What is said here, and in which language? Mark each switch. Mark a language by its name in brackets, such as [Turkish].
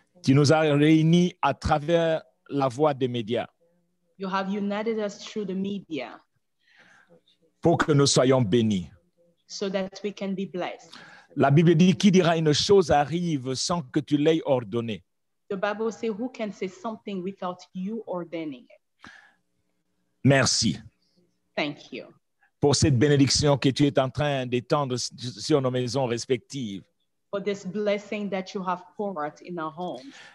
[French] Tu nous as réunis à travers la voie des médias. [English] You have united us through the media. [French] Pour que nous soyons bénis. [English] So that we can be blessed. [French] La Bible dit, qui dira une chose arrive sans que tu l'aies ordonnée. [English] The Bible says, who can say something without you ordaining it? [French] Merci. [English] Thank you. [French] Pour cette bénédiction que tu es en train d'étendre sur nos maisons respectives. [English] For this blessing that you have poured in our home.